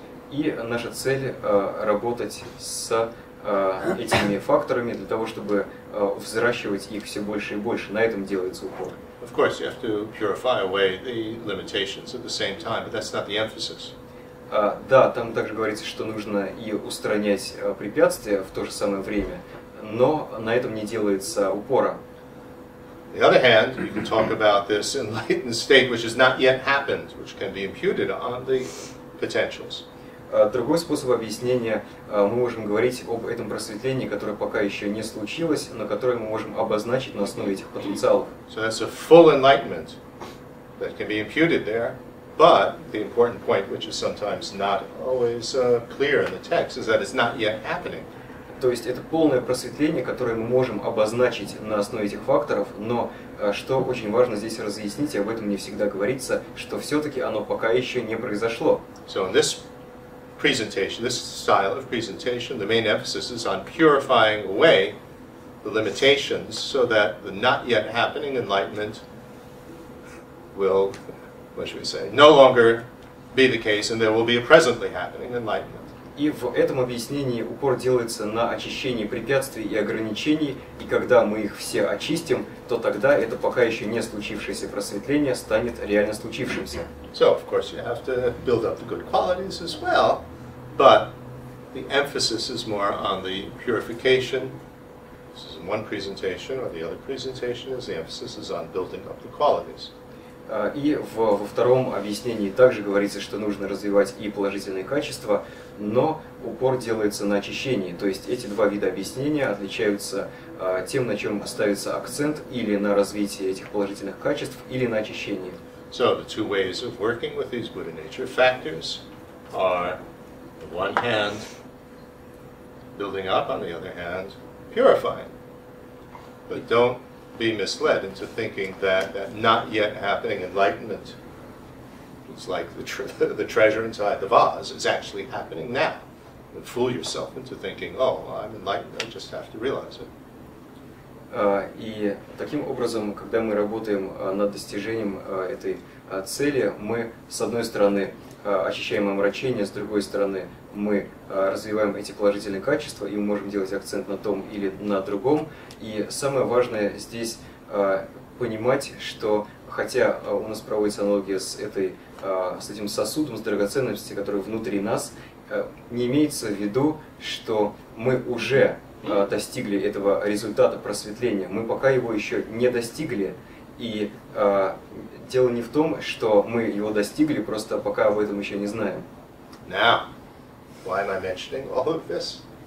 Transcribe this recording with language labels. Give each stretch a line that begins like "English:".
Russian: И наша цель работать с этими факторами для того, чтобы взращивать их все больше и больше. На этом делается упор.
English: Of course, you have to purify away the limitations at the same time, but that's not the emphasis.
Russian: Да, там также говорится, что нужно и устранять препятствия в то же самое время, но на этом не делается упора.
English: On the other hand, you can talk about this enlightened state which has not yet happened, which can be imputed on the potentials.
Russian: Другой способ объяснения, мы можем говорить об этом просветлении, которое пока еще не случилось, но которое мы можем обозначить на основе этих потенциалов.
English: So that's a full enlightenment that can be imputed there, but the important point, which is sometimes not always clear in the text, is that it's not yet happening.
Russian: То есть это полное просветление, которое мы можем обозначить на основе этих факторов, но что очень важно здесь разъяснить, и об этом не всегда говорится, что все-таки оно пока еще не произошло.
English: So in this presentation, this style of presentation, the main emphasis is on purifying away the limitations so that the not yet happening enlightenment will, what should we say, no longer be the case, and there will be a presently happening enlightenment.
Russian: И в этом объяснении упор делается на очищении препятствий и ограничений, и когда мы их все очистим, то тогда это пока еще не случившееся просветление станет реально случившимся.
English: So, of course, you have to build up the good qualities as well, but the emphasis is more on the purification. This is in one presentation, or the other presentation is the emphasis is on building up the qualities.
Russian: И во втором объяснении также говорится, что нужно развивать и положительные качества, но упор делается на очищении. То есть эти два вида объяснения отличаются тем, на чем ставится акцент, или на развитии этих положительных качеств, или на очищении.
English: So the two ways of working with these Buddha nature factors are, on one hand, building up, on the other hand, purifying. But don't be misled into thinking that that not yet happening enlightenment is like the treasure inside the vase. It's actually happening now. Don't fool yourself into thinking, oh, I'm enlightened, I just have to realize it.
Russian: И таким образом, когда мы работаем над достижением этой цели, мы, с одной стороны, ощущаем омрачение, с другой стороны, мы развиваем эти положительные качества, и мы можем делать акцент на том или на другом. И самое важное здесь понимать, что хотя у нас проводится аналогия с этой, с этим сосудом, с драгоценностью, который внутри нас, не имеется в виду, что мы уже достигли этого результата просветления. Мы пока его еще не достигли. И дело не в том, что мы его достигли, просто пока об этом еще не знаем.
English: Now, why am I mentioning all of this?